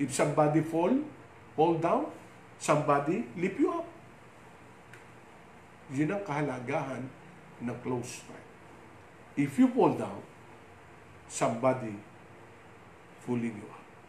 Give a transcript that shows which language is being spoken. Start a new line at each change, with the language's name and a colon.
English: If somebody fall down, somebody lift you up.
Filipino: Yun ang kahalagahan ng close friend.
English: If you fall down, somebody pulling you up.